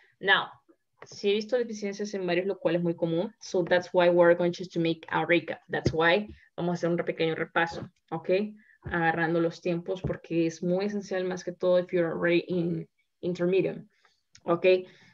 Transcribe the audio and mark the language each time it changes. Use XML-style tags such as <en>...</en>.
<es>Now, si he visto deficiencias en varios, lo cual es muy común.</es> <en>So that's why we're going to make a recap. That's why</en> <es>vamos a hacer un pequeño repaso, ¿ok? Agarrando los tiempos porque es muy esencial más que todo</es> <en>if you're already in intermediate,</en> <es>¿ok?</es>